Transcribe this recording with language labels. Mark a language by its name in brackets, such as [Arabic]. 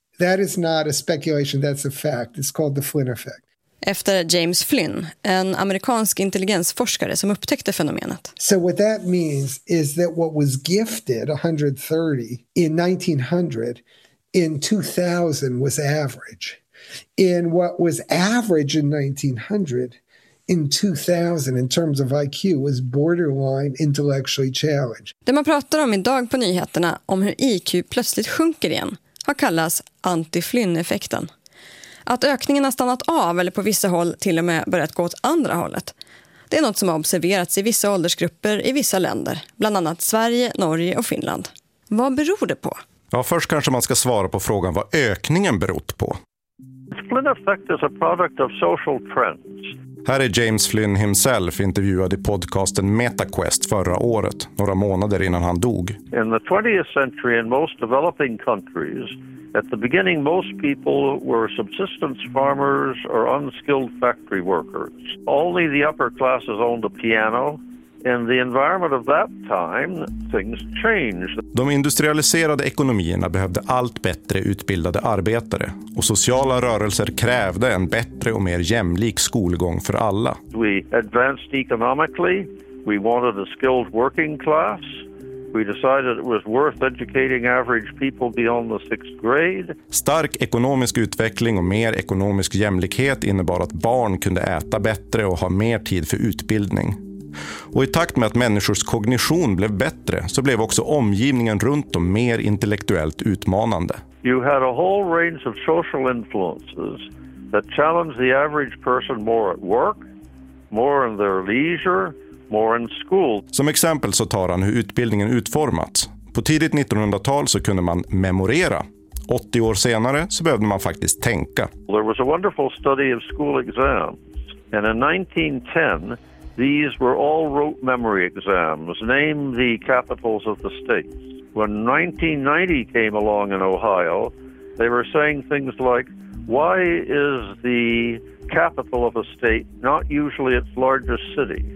[English] That is not a speculation, that's a fact. It's called the Flynn effect. [Swedish] Efter James Flynn, en amerikansk intelligensforskare som upptäckte fenomenet. [English] So what that means is that what was gifted 130 in 1900 in 2000 was average. In what was average in 1900, in 2000 in terms of IQ was borderline intellectually challenged. [Swedish] Det man pratar om idag på nyheterna om hur IQ plötsligt sjunker igen har kallats anti-Flynn-effekten. Att ökningen har stannat av eller på vissa håll till och med börjat gå åt andra hållet. Det är något som har observerats i vissa åldersgrupper i vissa länder, bland annat Sverige, Norge och Finland. Vad beror det på? Ja, först kanske man ska svara på frågan vad ökningen berott på. [English] Flynn effect is a product of social trends. [Swedish] Här är James Flynn [English] himself [Swedish] intervjuad i podcasten MetaQuest förra året, några månader innan han dog. [English] In the 20th century in most developing countries, at the beginning most people were subsistence farmers or unskilled factory workers. Only the upper classes owned a piano. In the environment of that time, things changed. [Swedish] De industrialiserade ekonomierna behövde allt bättre utbildade arbetare. Och sociala rörelser krävde en bättre och mer jämlik skolgång för alla. [English] We advanced economically. We wanted a skilled working class. We decided it was worth educating average people beyond the sixth grade. [Swedish] Stark ekonomisk utveckling och mer ekonomisk jämlikhet innebar att barn kunde äta bättre och ha mer tid för utbildning. Och i takt med att människors kognition blev bättre så blev också omgivningen runt dem mer intellektuellt utmanande. [English] You had a whole range of social influences that challenged the average person more at work, more in their leisure, more in school. [Swedish] Som exempel så tar han hur utbildningen utformats. På tidigt 1900-tal så kunde man memorera. 80 år senare så behövde man faktiskt tänka. [English] There was a wonderful study of school exams. And in 1910... These were all rote memory exams, name the capitals of the states. When 1990 came along in Ohio, They were saying things like, why is the capital of a state not usually its largest city?